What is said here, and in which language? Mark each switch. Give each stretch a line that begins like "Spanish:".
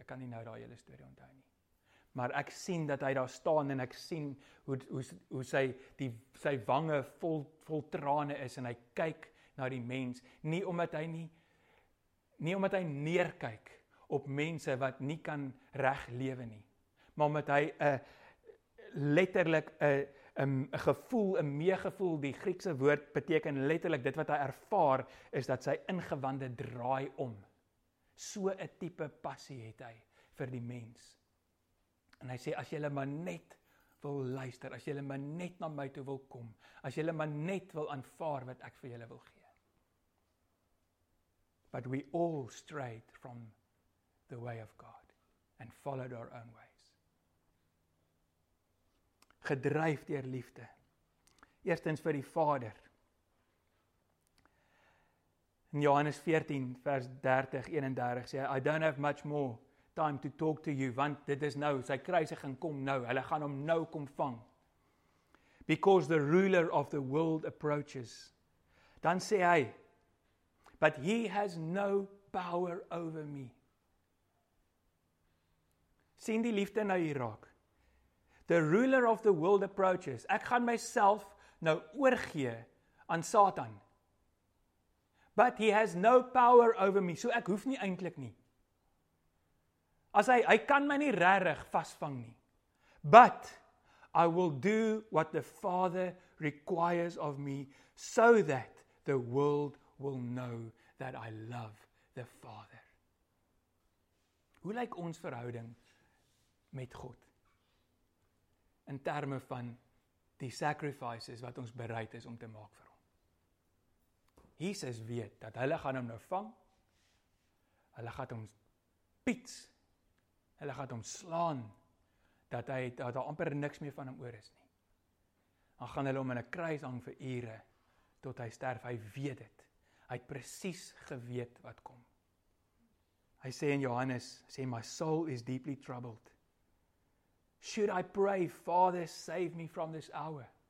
Afrikaans: Ek kan nie nou daai hele storie onthou nie. Maar ek sien dat hy daar staan en ek sien hoe sy die sy wange vol trane is en hy kyk na die mens, nie omdat hy neerkyk op mense wat nie kan reg lewe nie, maar omdat hy 'n letterlik 'n gevoel, 'n meegevoel, die Griekse woord beteken letterlik dit wat hy ervaar is dat sy ingewande draai om. So 'n tipe passie het hy vir die mens. En hy sê, as jy maar net wil luister, as jy maar net na my toe wil kom, as jy maar net wil aanvaar wat ek vir jy wil gee.
English: But we all strayed from the way of God and followed our own ways.
Afrikaans: Gedryf deur liefde. Eerstens vir die Vader. In Johannes 14 vers 30, 31 sê,
English: I don't have much more time to talk to you,
Afrikaans: want dit is nou, sy kruisiging kom nou, hulle gaan hom nou kom vang.
English: Because the ruler of the world approaches.
Afrikaans: Dan sê hy,
English: but he has no power over me.
Afrikaans: Sien die liefde nou hier raak.
English: The ruler of the world approaches.
Afrikaans: Ek gaan myself nou oorgee aan Satan.
English: But he has no power over me.
Afrikaans: So ek hoef nie eintlik nie. As hy kan my nie regtig vasvang nie.
English: But I will do what the Father requires of me so that the world will know that I love the Father.
Afrikaans: Hoe lyk ons verhouding met God? In terme van die sacrifices wat ons bereid is om te maak. Jesus weet dat hulle gaan hom nou vang. Hulle gaan hom piets. Hulle gaan hom slaan. Dat hy dat daar amper niks meer van hom oor is nie. Dan gaan hulle hom in 'n kruis hang vir ure tot hy sterf. Hy weet dit. Hy het presies geweet wat kom. Hy sê in Johannes, sê my
English: soul is deeply troubled. Should I pray, Father, save me from this hour?